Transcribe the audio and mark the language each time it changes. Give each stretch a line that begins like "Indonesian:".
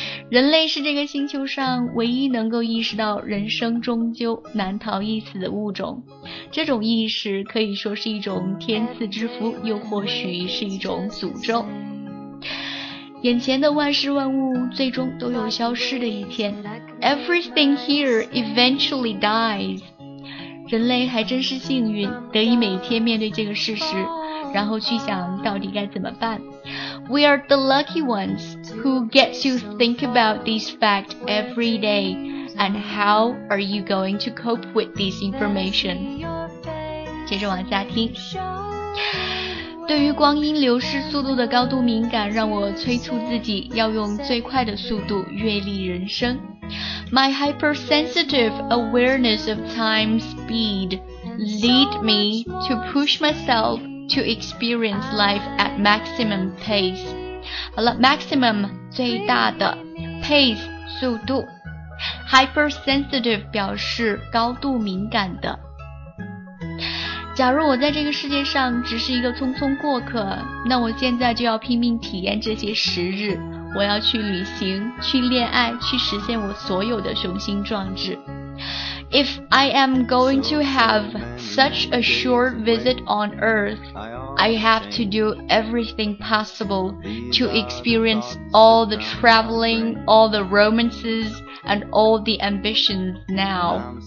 Chinese: 人类是这个星球上唯一能够意识到人生终究难逃一死的物种，这种意识可以说是一种天赐之福，又或许是一种诅咒。眼前的万事万物最终都有消失的一天。
English: Everything here eventually dies.
Chinese: 人类还真是幸运，得以每天面对这个事实，然后去想到底该怎么办。
English: We are the lucky ones who get to think about this fact every day and how are you going to cope with this information.
Chinese: 接着往下听。对于光阴流逝速度的高度敏感，让我催促自己要用最快的速度阅历人生。
English: My hypersensitive awareness of time speed lead me to push myselfto experience life at maximum pace.
Chinese: 好了， maximum 最大的， pace 速度， hypersensitive 表示高度敏感的。假如我在这个世界上只是一个匆匆过客，那我现在就要拼命体验这些时日，我要去旅行，去恋爱，去实现我所有的雄心壮志。
English: If I am going to have such a short visit on Earth, I have to do everything possible to experience all the traveling, all the romances, and all the ambitions now.